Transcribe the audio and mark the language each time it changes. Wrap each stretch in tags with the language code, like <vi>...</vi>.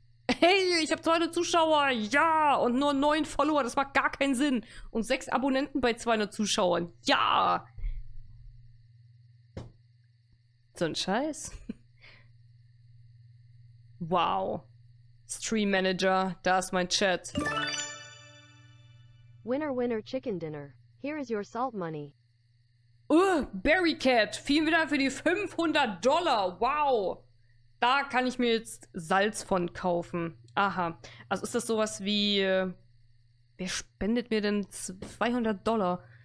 <de>Hey, ich habe 200 Zuschauer. Ja, und nur 9 Follower. Das macht gar keinen Sinn. Und 6 Abonnenten bei 200 Zuschauern. Ja. So ein Scheiß. Wow. Stream Manager, da ist mein Chat.</de> <en>Winner, winner, chicken dinner. Here is your salt money.</en> <de>Barry Cat, vielen Dank für die $500. Wow. Da kann ich mir jetzt Salz von kaufen. Aha. Also ist das sowas wie... wer spendet mir denn $200?</de>